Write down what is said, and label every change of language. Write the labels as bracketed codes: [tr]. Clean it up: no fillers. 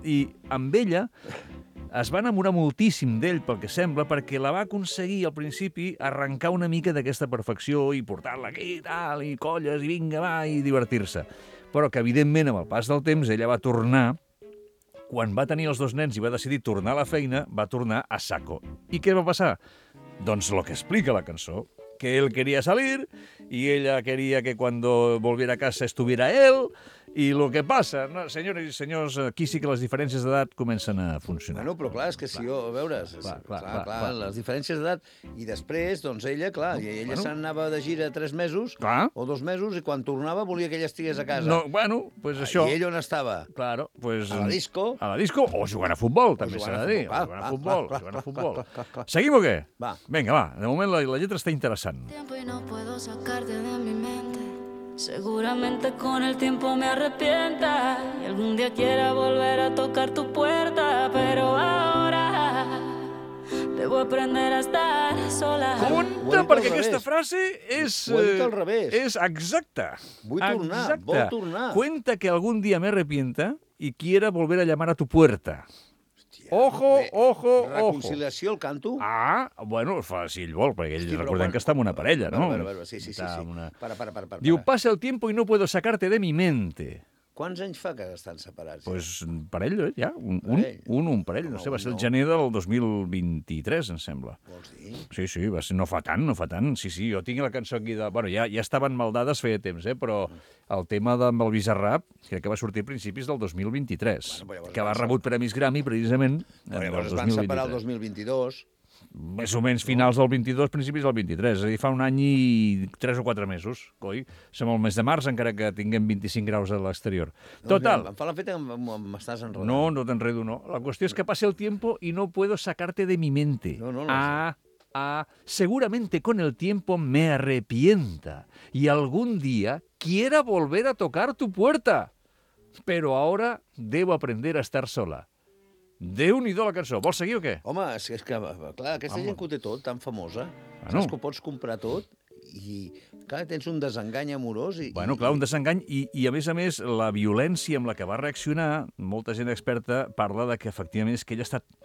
[ca] I amb ella es va enamorar moltíssim d'ell, pel que sembla, perquè la va aconseguir al principi arrencar una mica d'aquesta perfecció i portar-la aquí i tal, i colles, i vinga, va, i divertir-se. Però que, evidentment, amb el pas del temps, ella va tornar, quan va tenir els dos nens i va decidir tornar a la feina, va tornar a saco. I què va passar? Doncs el que explica la cançó, [es] que él quería salir y ella quería que cuando volviera a casa estuviera él. [ca] I el que passa, no, senyores i senyors, aquí sí que les diferències d'edat comencen a funcionar. Bueno, però clar, és que si jo, a veure, clar, les diferències d'edat, i després, doncs ella, clar, no, ella bueno, s'anava de gira 3 mesos, clar, o 2 mesos, i quan tornava volia que ella estigués a casa. No, bueno, pues això. I ell on estava? [es] Claro, pues... [ca] A la disco. A la disco, o jugant a futbol, també s'ha de dir. Va, jugant a futbol, jugant a futbol. Clar. Seguim o què? Va. Vinga, va, de moment la lletra està interessant. [es] Tiempo y no puedo sacarte de mi mente. Seguramente con el tiempo me arrepienta y algún día quiera volver a tocar tu puerta, pero ahora debo aprender a estar sola. [ca] Compte, perquè aquesta frase és... Ho he dit al revés. És exacta. Vull tornar, exacta. Vol tornar. [es] Cuenta que algún día me arrepienta y quiera volver a llamar a tu puerta. Ojo, ojo, ojo. [ca] Reconciliació, el canto? Ah, bueno, fa, si ell vol, perquè ell, sí, recordem quan... que està amb una parella, no? Sí. Una... Para. Diu, [es] pasa el tiempo y no puedo sacarte de mi mente. [ca] Quants anys fa que estan separats? Ja? Pues un parell, ja. Un parell. No, no sé, va ser el gener del 2023, em sembla. Vols dir? Sí, sí, va ser, no fa tant. Sí, sí, jo tinc la cançó aquí de... Bueno, ja estaven maldades feia temps, però el tema d'en el Bizarrap crec que va sortir a principis del 2023, bueno, que va rebut premis Grammy, precisament, bueno, del 2023. Van separar el 2022... Més o menys finals del 22, principis del 23. És a dir, fa un any i 3 o 4 mesos, coi. Som al mes de març, encara que tinguem 25 graus a l'exterior. Total. Em fa la feta que m'estàs enredant. No t'enredo, no. La qüestió és que passa [es] el tiempo y no puedo sacarte de mi mente. [ca] No. [es] Seguramente con el tiempo me arrepienta y algún día quiera volver a tocar tu puerta. Pero ahora debo aprender a estar sola. [ca] Déu-n'hi-do la cançó. Vols seguir o què? Home, és que, clar, aquesta gent que ho té tot, tan famosa, bueno, saps que ho pots comprar tot i, clar, tens un desengany amorós i... Bueno, clar, un desengany i, a més, la violència amb la que va reaccionar, molta gent experta parla de que, efectivament, és que ella està...